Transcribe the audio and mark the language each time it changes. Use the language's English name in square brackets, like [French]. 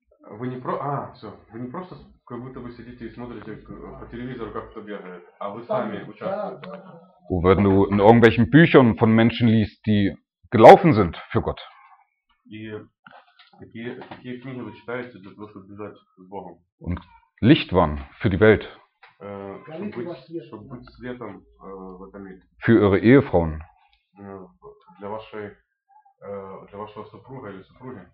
[Russian] Вы не просто как будто вы сидите и смотрите по телевизору, как кто бегает, а вы сами участвуете. [German] Wenn du in irgendwelchen Büchern von Menschen liest, die gelaufen sind für Gott. [Russian] Какие книги вы читаете для того, чтобы бежать с Богом? [German] Und Licht waren für die Welt. [Russian] Чтобы быть светом в этом мире. [German] Für ihre Ehefrauen. [Russian] Для вашего супруга или супруги.